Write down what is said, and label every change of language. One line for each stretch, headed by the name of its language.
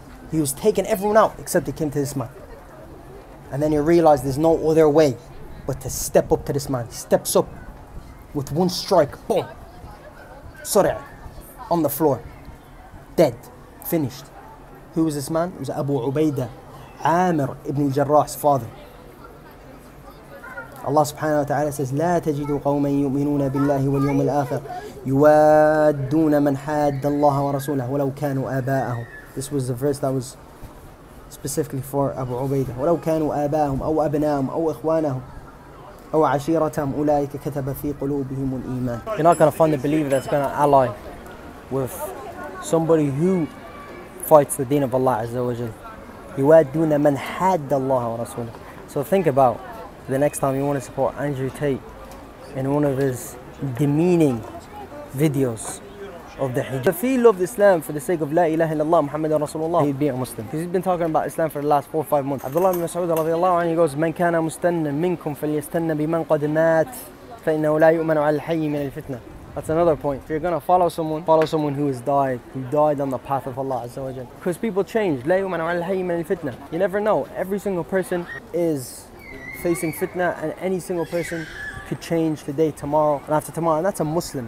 English: He was taking everyone out except he came to this man. And then he realized there's no other way but to step up to this man. He steps up with one strike, boom. Sorry. On the floor, dead, finished. Who was this man? It was Abu Ubaidah, Amr ibn al-Jarrah's father.
Arabic: Allah subhanahu wa ta'ala says, لا تجد قوما يؤمنون بالله واليوم الآخر يوادون من حاد الله ورسوله ولو كانوا آباءهم.
English: This was the verse that was specifically for Abu Ubaidah.
Arabic: ولو كانوا آباءهم أو أبناءهم أو إخوانهم أو عشيرتهم أولئك كتب في قلوبهم الإيمان.
English: You're not gonna find a believer that's gonna ally with somebody who fights the deen of Allah Azza wa Jal.
Arabic: يوادون من حاد الله ورسوله.
English: So think about the next time you want to support Andrew Tate in one of his demeaning videos of the hijab. If he loved Islam for the sake of La ilaha illallah Muhammad Rasulullah, he'd be a Muslim. Because he's been talking about Islam for the last 4 or 5 months.
Arabic: Abdullah ibn Mas'ud رضي الله عنه,
English: he goes,
Arabic: من كان مستنى منكم فليستنى بمن قد مات فإنه لا يؤمن على الحي من الفتنة.
English: That's another point. If you're going to follow someone who has died. Who died on the path of Allah Azza wa Jalla. Because people change.
Arabic: لَيُمَنَ عَلْحَيِّ مَنِ الْفِتْنَةِ.
English: You never know. Every single person is facing fitna. And any single person could change today, tomorrow, and after tomorrow. And that's a Muslim.